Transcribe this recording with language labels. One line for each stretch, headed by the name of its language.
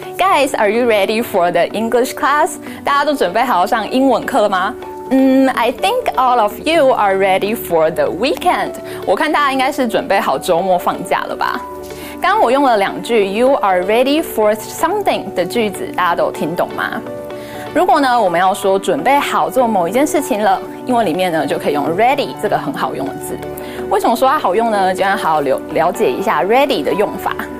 English: Guys, are you ready for the English class?
Chinese: 大家都准备好上英文课了吗？
English: I think all of you are ready for the weekend.
Chinese: 我看大家应该是准备好周末放假了吧。刚我用了两句
English: you are ready for something
Chinese: 的句子大家都听懂吗如果呢我们要说准备好做某一件事情了英文里面呢就可以用 ready 这个很好用的字为什么说它好用呢就要好好了解一下 ready 的用法